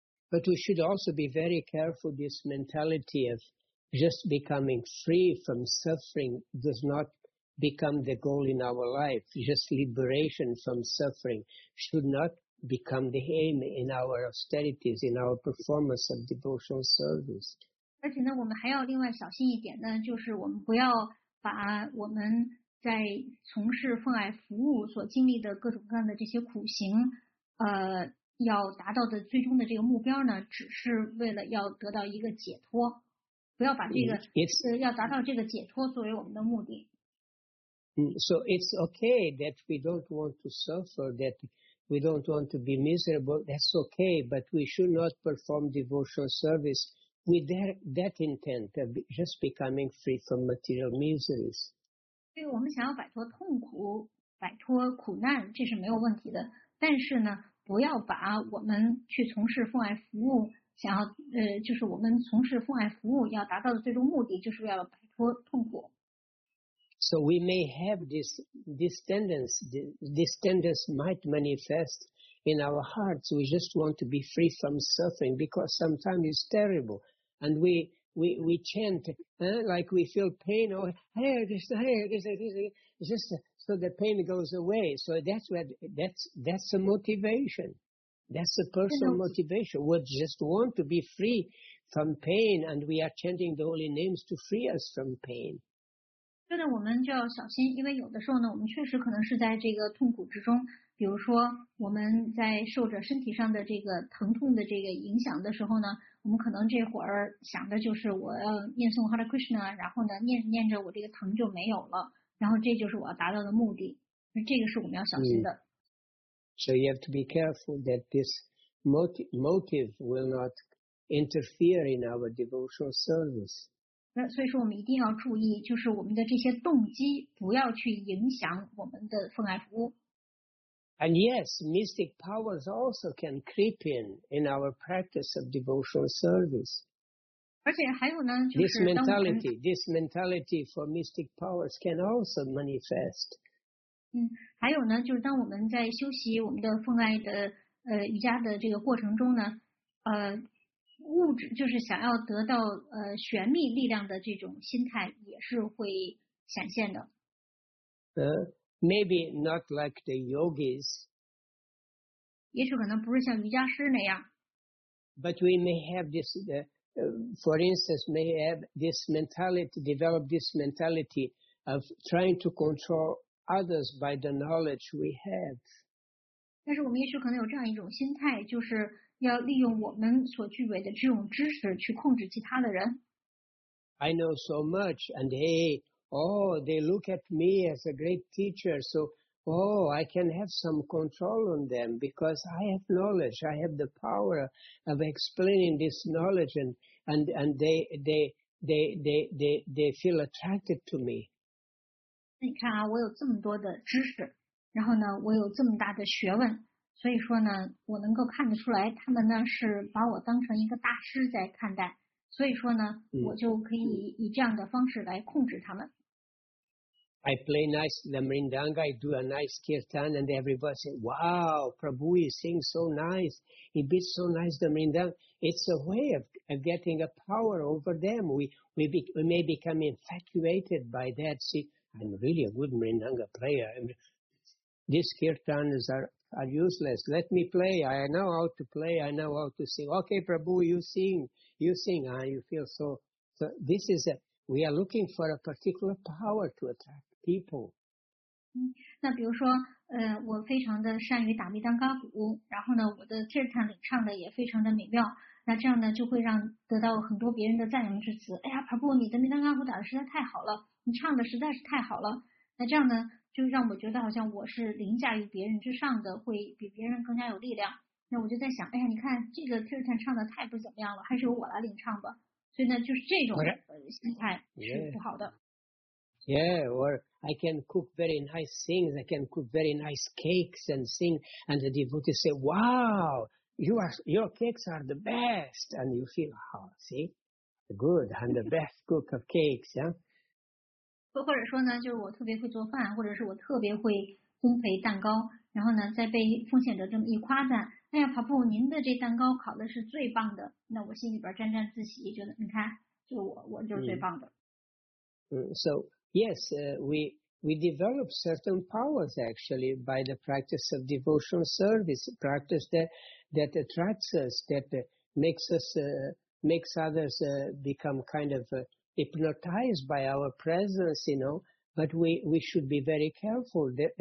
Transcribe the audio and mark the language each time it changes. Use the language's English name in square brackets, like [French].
[English] But we should also be very careful. This mentality of just becoming free from suffering does not become the goal in our life. Just liberation from suffering should not become the aim in our austerities, in our performance of devotional service. [Chinese] 而且呢，我们还要另外小心一点呢，就是我们不要把我们在从事奉爱服务所经历的各种各样的这些苦行，要达到的最终的这个目标呢，只是为了要得到一个解脱，不要把这个要达到这个解脱作为我们的目的。 [English] So it's okay that we don't want to suffer, that we don't want to be miserable. That's okay, but we should not perform devotional service with that intent of just becoming free from material miseries. [Chinese] 对，我们想要摆脱痛苦，摆脱苦难，这是没有问题的。但是呢，不要把我们去从事奉爱服务，想要就是我们从事奉爱服务要达到的最终目的，就是要摆脱痛苦。 [English] So we may have this tendency, this tendency might manifest in our hearts. We just want to be free from suffering because sometimes it's terrible, and we chant, like we feel pain, or hey, this, just so the pain goes away. So that's the motivation. That's the personal motivation. We just want to be free from pain, and we are chanting the holy names to free us from pain. [Chinese] 对的，我们就要小心，因为有的时候呢，我们确实可能是在这个痛苦之中，比如说我们在受着身体上的这个疼痛的这个影响的时候呢，我们可能这会儿想的就是我要念诵 Hare Krishna， 然后呢念着我这个疼就没有了，然后这就是我要达到的目的，这个是我们要小心的。 [English] So you have to be careful that this motive will not interfere in our devotional service. [Chinese] 那所以说我们一定要注意，就是我们的这些动机不要去影响我们的奉爱服务。 [English] And yes, mystic powers also can creep in our practice of devotional service. [Chinese] 而且还有呢，就是 [English] this mentality for mystic powers can also manifest. [Chinese] 还有呢，就是当我们在修习我们的奉爱的瑜伽的这个过程中呢，物质就是想要得到玄秘力量的这种心态也是会显现的。 [English] Maybe not like the yogis. [Chinese] 也许可能不是像瑜伽师那样。 [English] But we may have this, for instance, may have this mentality, develop this mentality of trying to control others by the knowledge we have. [Chinese] 但是我们也许可能有这样一种心态，就是要利用我们所具备的这种知识去控制其他的人。 [English] I know so much, and hey, oh, they look at me as a great teacher, so, oh, I can have some control on them because I have knowledge, I have the power of explaining this knowledge, and they feel attracted to me. [Chinese] 你看啊，我有这么多的知识，然后呢，我有这么大的学问，所以说呢，我能够看得出来，他们呢是把我当成一个大师在看待。所以说呢，我就可以以这样的方式来控制他们。 [English] I play nice the mrindanga, I do a nice kirtan, and everybody say, "Wow, Prabhu, he sings so nice. He beats so nice the mrindanga." It's a way of getting a power over them. We may become infatuated by that. See, I'm really a good mrindanga player. I mean, these kirtans are useless. Let me play. I know how to play. I know how to sing. Okay, Prabhu, you sing. You sing. Ah, you feel so. So this is a, we are looking for a particular power to attract people. [Chinese] 那比如说，我非常的善于打弥当伽鼓，然后呢，我的吉他里唱的也非常的美妙。那这样呢，就会让得到很多别人的赞扬之词。哎呀，Prabhu，你的弥当伽鼓打的实在太好了，你唱的实在是太好了。那这样呢？就让我觉得好像我是凌驾于别人之上的，会比别人更加有力量。那我就在想，哎呀，你看这个 Kirtan 唱的太不怎么样了，还是由我来领唱吧。所以呢，就是这种心态是不好的。 [English] Yeah, or I can cook very nice things, I can cook very nice cakes and sing, and the devotees say, "Wow, your cakes are the best," and you feel, "Oh, see, good, I'm the best cook of cakes, yeah." [Chinese] 或者说呢，就是我特别会做饭，或者是我特别会烘焙蛋糕，然后呢，再被奉献者这么一夸赞，哎呀，跑步，您的这蛋糕烤的是最棒的，那我心里边沾沾自喜，觉得你看，就我就是最棒的。 [English] So yes, we develop certain powers actually by the practice of devotional service, practice that attracts us, that makes us makes others become kind of. Hypnotized by our presence, you know, but we should be very careful.